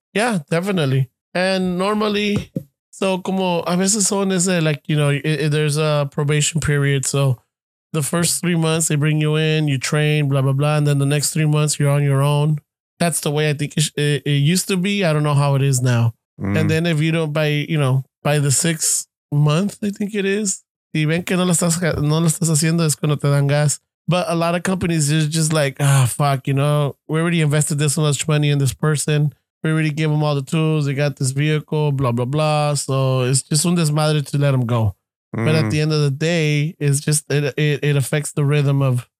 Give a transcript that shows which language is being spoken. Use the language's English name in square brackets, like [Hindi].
[English] Yeah, definitely. And normally, [Spanish] so como a veces son ese, [English] like, you know, there's a probation period. So the first 3 months they bring you in, you train, blah, blah, blah. And then the next 3 months you're on your own. That's the way I think it used to be. I don't know how it is now. Mm. And then if you don't by the 6th month, I think it is. [Spanish] Y ven que no lo estás haciendo es cuando te dan gas. [English] But a lot of companies is just like, ah, fuck, you know, we already invested this much money in this person. We already gave them all the tools. They got this vehicle, blah, blah, blah. So it's just [Spanish] un desmadre [English] to let them go. Mm. But at the end of the day, it's just, it affects the rhythm of